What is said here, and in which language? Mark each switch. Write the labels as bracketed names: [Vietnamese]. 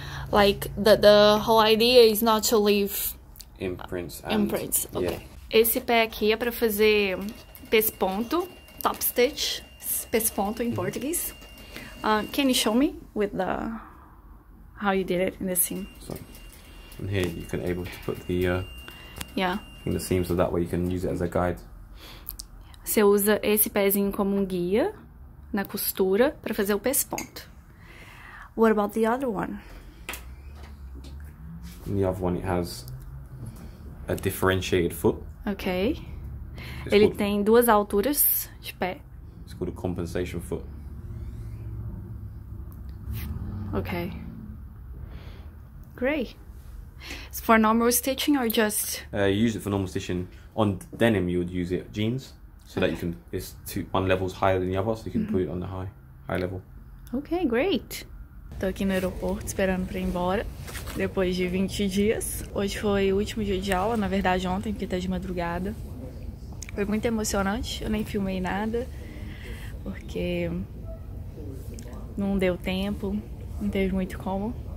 [English] Like the whole idea is not to leave imprints. Imprints. Okay. Yeah. [Portuguese] Esse pé aqui é para fazer pesponto, [English] top stitch, [Portuguese] pesponto [English] in Portuguese. Can you show me with the how you did it in the seam? So, and here you can able to put the yeah in the seam, so that way you can use it as a guide. [Portuguese] Você usa esse pezinho como um guia na costura para fazer o pesponto. [English] What about the other one? In the other one, it has a differentiated foot. [Portuguese] Okay. Tem duas alturas de pé. [English] It's called a compensation foot. Okay. Great. It's for normal stitching or just? You use it for normal stitching. On denim, you would use it jeans. So that you can, it's one level higher than the other, so you can put it on the high level. Okay, great. [Portuguese] Tô aqui no aeroporto esperando pra ir embora, depois de 20 dias. Hoje foi o último dia de aula, na verdade ontem, porque tá de madrugada. Foi muito emocionante, eu nem filmei nada, porque não deu tempo, não teve muito como.